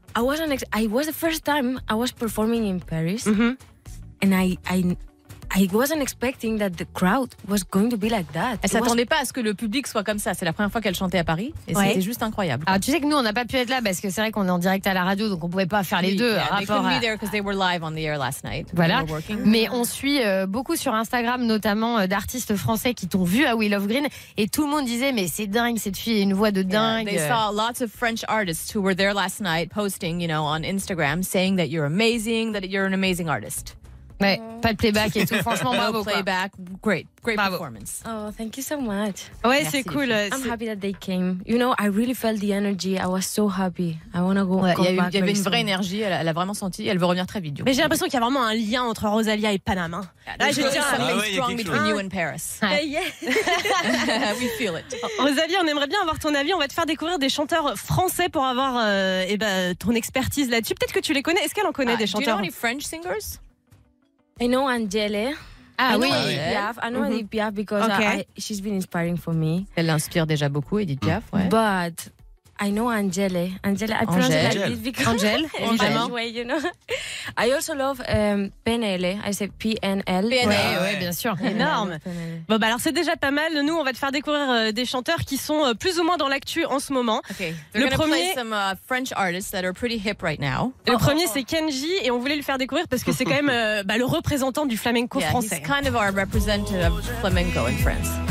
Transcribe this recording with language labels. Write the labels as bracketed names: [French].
[English] I was the first time I was performing in Paris. Mm-hmm. And I wasn't expecting that the crowd was going to be like that. [French] Elle s'attendait pas à ce que le public soit comme ça. C'est la première fois qu'elle chantait à Paris et ouais. C'était juste incroyable. Alors tu sais que nous on n'a pas pu être là parce que c'est vrai qu'on est en direct à la radio donc on pouvait pas faire les deux. [English] Yeah, they couldn't be there because they were live on the air last night. [French] Voilà. Mais on suit beaucoup sur Instagram notamment d'artistes français qui t'ont vu à We Love Green et tout le monde disait mais c'est dingue cette fille a une voix de dingue. [English] Yeah, they saw lots of French artists who were there last night posting, you know, on Instagram saying that you're amazing, that you're an amazing artist. [French] Ouais, pas de playback et tout, franchement bravo. [English] No playback, great bravo. Performance. Oh, thank you so much. [French] Ouais, merci, c'est cool. [English] I'm happy that they came. You know, I really felt the energy. I was so happy. I want to go. [French] Il y avait une vraie énergie, elle a vraiment senti, elle veut revenir très vite. Mais j'ai l'impression qu'il y a vraiment un lien entre Rosalia et Panama. Là, je dis [English] something strong between you and Paris. Yeah. We feel it. [French] Rosalia, on aimerait bien avoir ton avis, on va te faire découvrir des chanteurs français pour avoir ton expertise là-dessus. Peut-être que tu les connais. Est-ce qu'elle en connaît des chanteurs? [English] Do you know any French singers? I know Angèle. [French] Ah oui, [English] Piaf. I know Edith Piaf because she's been inspiring for me. [French] Elle l'inspire déjà beaucoup, Edith Piaf, ouais. [English] But I know Angèle. Angèle, I pronounce it like this because Angèle, in French way, you know. I also love PNL. I say PNL. [French] PNL, ouais, ouais, bien sûr. Énorme. Bon, bah alors c'est déjà pas mal. Nous, on va te faire découvrir des chanteurs qui sont plus ou moins dans l'actu en ce moment. Okay. Le premier. [English] We're gonna play some French artists that are pretty hip right now. [French] Le premier, c'est Kenji, et on voulait le faire découvrir parce que c'est quand même le représentant du flamenco français. [English] He's kind of our representative of flamenco in France.